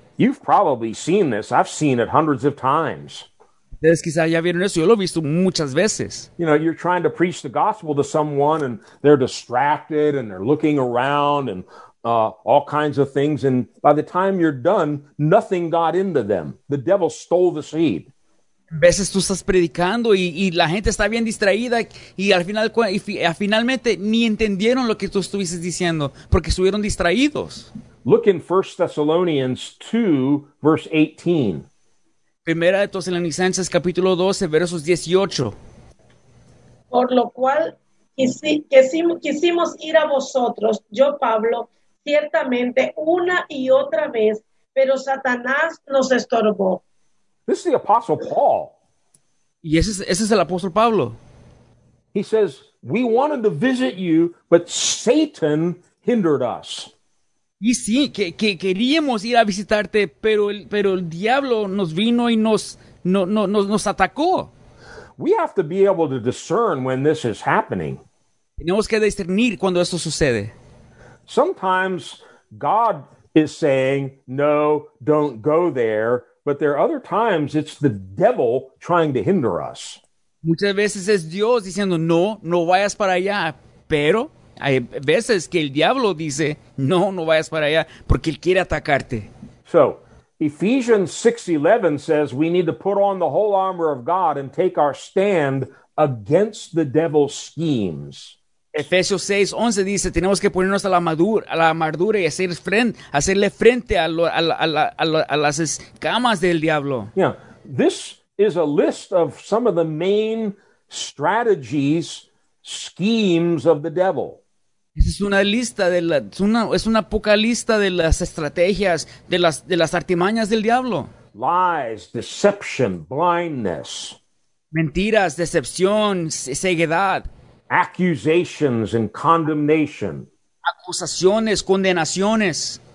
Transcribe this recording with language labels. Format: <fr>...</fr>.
<en>You've probably seen this. I've seen it hundreds of times.</en> <es>Ustedes quizás ya vieron eso. Yo lo he visto muchas veces.</es> <en>You know, you're trying to preach the gospel to someone and they're distracted and they're looking around and all kinds of things. And by the time you're done, nothing got into them. The devil stole the seed.</en> <es>A veces tú estás predicando y la gente está bien distraída y al final finalmente ni entendieron lo que tú estuviste diciendo porque estuvieron distraídos.</es> <en>Look in 1 Thessalonians 2, verse 18.</en> <es>Primera de Tesalonicenses, capítulo 12, versos 18. Por lo cual quisimos ir a vosotros, yo Pablo, ciertamente una y otra vez, pero Satanás nos estorbó.</es> <en>This is the Apostle Paul.</en> <es>Y ese es el Apóstol Pablo.</es> <en>He says, we wanted to visit you, but Satan hindered us.</en> <es>Y sí, que queríamos ir a visitarte, pero el diablo nos vino y nos atacó.</es> <en>We have to be able to discern when this is happening.</en> <es>Tenemos que discernir cuando esto sucede.</es> <en>Sometimes God is saying, no, don't go there. But there are other times it's the devil trying to hinder us.</en> <es>Muchas veces es Dios diciendo, no, no vayas para allá. Pero hay veces que el diablo dice, no, no vayas para allá, porque él quiere atacarte.</es> <en>So, Ephesians 6:11 says we need to put on the whole armor of God and take our stand against the devil's schemes.</en> <es>Efesios 6:11 dice, tenemos que ponernos a la armadura y hacerle frente a las escamas del diablo.</es> <en>Yeah, this is a list of some of the main strategies, schemes of the devil.</en> <es>Es una poca lista de las estrategias de las artimañas del diablo.</es> <en>Lies, deception, blindness.</en> <es>Mentiras, decepción, ceguedad.</es> <en>Accusations and condemnation.</en> <es>Acusaciones, condenaciones.</es>